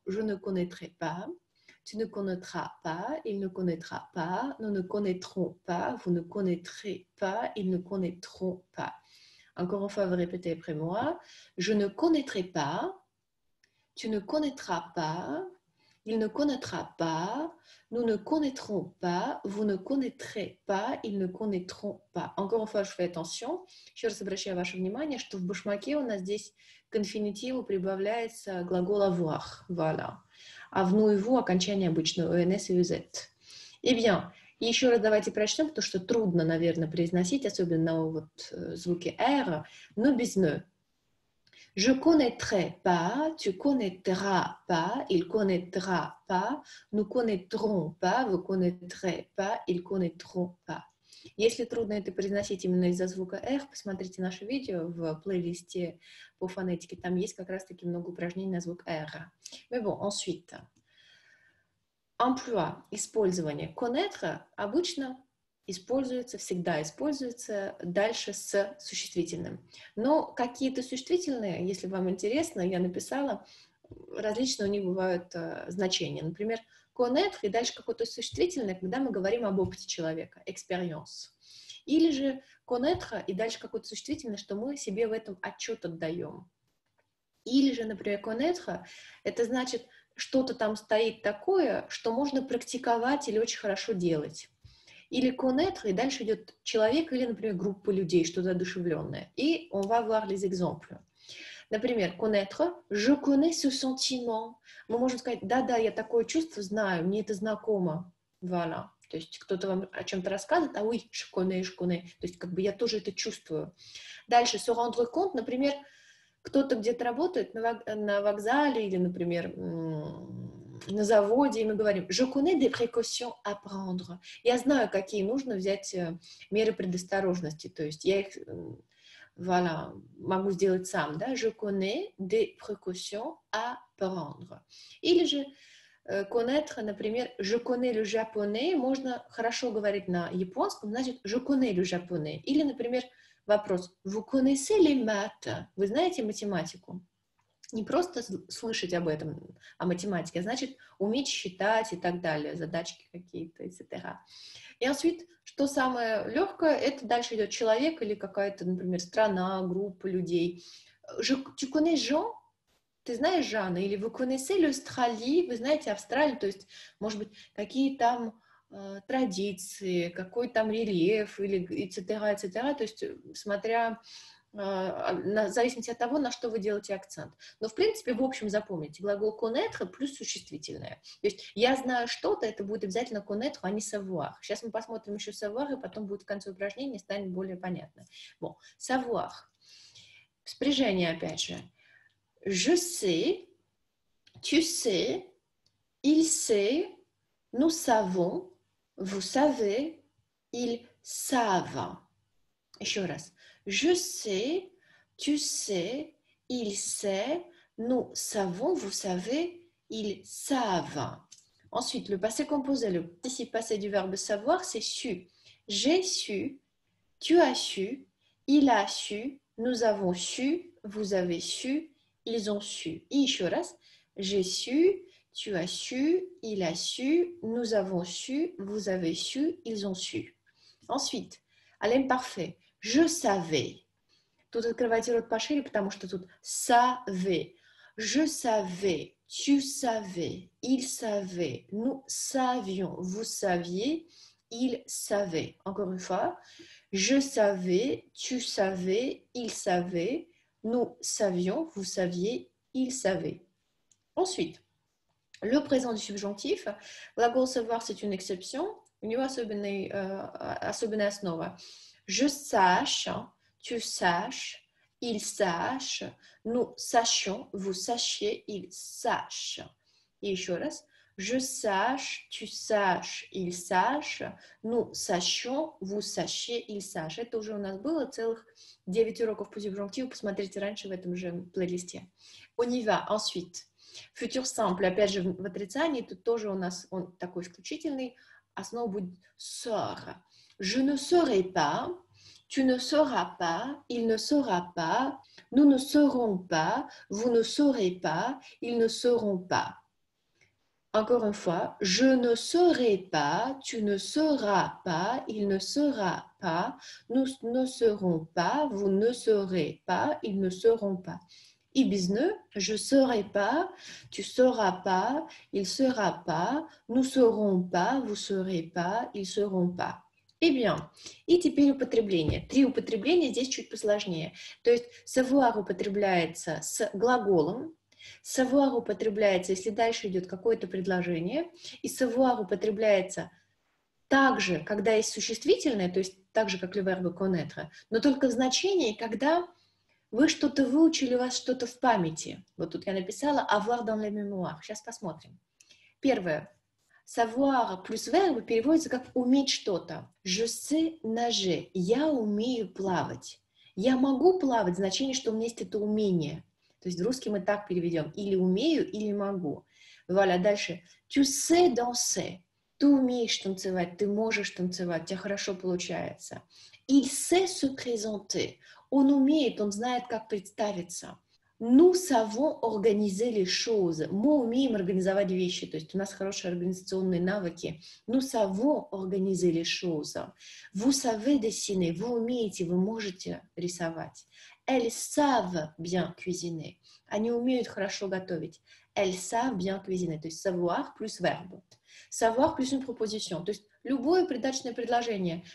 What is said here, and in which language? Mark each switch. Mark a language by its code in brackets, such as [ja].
[fr] Je ne connaîtrai pas, tu ne connaîtras pas, il ne connaîtra pas, nous ne connaîtrons pas, vous ne connaîtrez pas, ils ne connaîtront pas. Encore une fois, vous répétez après moi. Je ne connaîtrai pas, tu ne connaîtras pas, il ne connaîtra pas, nous ne connaîtrons pas, vous ne connaîtrez pas, ils ne connaîtront pas. Encore une fois, je fais attention. [ru] Еще раз обращаю ваше внимание, что в башмаке у нас здесь к инфинитиву прибавляется глагол avoir. [fr] Voilà. [ru] А в nous и vous окончание обычно ens и uz. [fr] Et bien, [ru] еще раз давайте прочтем, потому что трудно, наверное, произносить, особенно на вот звуке r. [fr] Nous [ru] без [fr] ne. Je connaîtrai pas, tu connaîtras pas, il connaîtra pas, nous connaîtrons pas, vous connaîtrez pas, ils connaîtront pas. [ru] Если трудно это произносить именно из-за звука R, посмотрите наше видео в плейлисте по фонетике. Там есть как раз-таки много упражнений на звук R. [fr] Mais bon, ensuite. Emploi, [ru] использование. Connaître обычно используется, всегда используется дальше с существительным. Но какие-то существительные, если вам интересно, я написала, различные у них бывают значения. Например, connaître и дальше какое-то существительное, когда мы говорим об опыте человека, experience. Или же connaître и дальше какое-то существительное, что мы себе в этом отчет отдаем. Или же, например, connaître, это значит, что-то там стоит такое, что можно практиковать или очень хорошо делать. Или connaître, и дальше идет человек или, например, группа людей, что-то одушевленное. [fr] И on va voir les exemples. [ru] Например, [fr] connaître, je connais ce sentiment. [ru] Мы можем сказать, да-да, я такое чувство знаю, мне это знакомо. [fr] Voilà. [ru] То есть кто-то вам о чем-то рассказывает, а [fr] oui, je connais, [ru] то есть как бы я тоже это чувствую. Дальше, se rendre compte, например, кто-то где-то работает на вокзале или, например, на заводе, и мы говорим [fr] «Je connais des précautions à prendre». [ru] Я знаю, какие нужно взять меры предосторожности, то есть я их voilà, могу сделать сам. Да? [fr] «Je connais des précautions à prendre». [ru] Или же «connaître», например, «Je connais le japonais», можно хорошо говорить на японском, значит «Je connais le japonais». Или, например, вопрос [fr] «Vous connaissez les maths?» [ru] «Вы знаете математику?» Не просто слышать об этом, о математике, а значит, уметь считать и так далее, задачки какие-то, etc. И ensuite, что самое легкое, это дальше идет человек или какая-то, например, страна, группа людей. [fr] Tu connais Jean? [ru] Ты знаешь Жанна? Или вы [fr] connaissez l'Australie? [ru] Вы знаете Австралию? То есть, может быть, какие там традиции, какой там рельеф, или etc., etc. То есть, смотря в зависимости от того, на что вы делаете акцент. Но, в принципе, в общем, запомните, глагол connaître плюс существительное. То есть я знаю что-то, это будет обязательно connaître, а не savoir. Сейчас мы посмотрим еще savoir, и потом будет в конце упражнения, станет более понятно. [fr] Bon. Savoir. [ru] Спряжение, опять же. [fr] Je sais, tu sais, il sait, nous savons, vous savez, ils savent. [ru] Еще раз. [fr] Je sais, tu sais, il sait, nous savons, vous savez, ils savent. Ensuite, le passé composé, le participe passé du verbe savoir, c'est su. J'ai su, tu as su, il a su, nous avons su, vous avez su, ils ont su. [ru] Еще раз. [fr] J'ai su, tu as su, il a su, nous avons su, vous avez su, ils ont su. Ensuite, à l'imparfait. Je savais. [ru] Тут открывайте рот пошире, потому что тут savait. [fr] Je savais. Tu savais. Il savait. Nous savions. Vous saviez. Il savait. Encore une fois. Je savais. Tu savais. Il savait. Nous savions. Vous saviez. Il savait. Ensuite, le présent du subjonctif. [ru] Глагол [fr] savoir, c'est une exception. [ru] У него особенная основа. [fr] Je sache, tu saches, il sache, nous sachions, vous sachiez, il sache. [ru] Et еще раз. [fr] Je sache, tu saches, il sache, nous sachions, vous sachiez, il sache. [ru] Это уже у нас было целых 9 уроков по субжонктиву. Посмотрите раньше в этом же плейлисте. [fr] On y va. Ensuite. Futur simple. [ru] Опять же, в отрицании. Тут тоже у нас он такой исключительный. Основа будет sort. [fr] Je ne saurais pas, tu ne sauras pas, il ne saura pas, nous ne saurons pas, vous ne saurez pas, ils ne sauront pas. Encore une fois, je ne saurais pas, tu ne sauras pas, il ne saura pas, nous ne saurons pas, vous ne saurez pas, ils ne sauront pas. Ibizne, je saurais pas, tu sauras pas, il sera pas, nous saurons pas, vous saurez pas, ils sauront pas. Eh bien, [ru] и теперь употребление. Три употребления здесь чуть посложнее. То есть savoir употребляется с глаголом, savoir употребляется, если дальше идет какое-то предложение, и savoir употребляется также, когда есть существительное, то есть так же, как [fr] le verbe connaître, [ru] но только в значении, когда вы что-то выучили, у вас что-то в памяти. Вот тут я написала [fr] avoir dans les mémoires. [ru] Сейчас посмотрим. Первое. Savoir plus verbe переводится как уметь что-то. [fr] Je sais nager. [ru] Я умею плавать. Я могу плавать. Значение, что у меня есть это умение. То есть в русский мы так переведем. Или умею, или могу. Валя, дальше. [fr] Tu sais danser. [ru] Ты умеешь танцевать. Ты можешь танцевать. У тебя хорошо получается. [fr] Il sait se présenter. [ru] Он умеет. Он знает, как представиться. [fr] Nous savons organiser les choses. [ru] Мы умеем организовать вещи, то есть у нас хорошие организационные навыки. [fr] Nous savons organiser les choses. Vous savez dessiner. [ru] Вы умеете, вы можете рисовать. [fr] Elles savent bien cuisiner. [ru] Они умеют хорошо готовить. [fr] Elles savent bien cuisiner. [ru] То есть [fr] savoir plus verbe. Savoir plus une proposition. [ru] То есть любое придачное предложение.